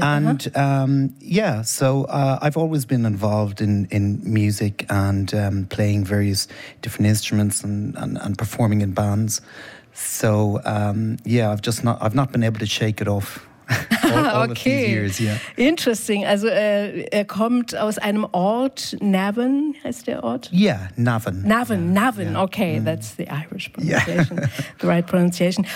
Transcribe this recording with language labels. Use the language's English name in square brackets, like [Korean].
[English] And I've always been involved in music and playing various different instruments and performing in bands. So I've not been able to shake it off. all of these years. Interesting. [German] Also er kommt aus einem Ort, Navan heißt der Ort? [English] Yeah, Navan. Navan, yeah. Navan, yeah. Okay, that's the Irish pronunciation, the right pronunciation.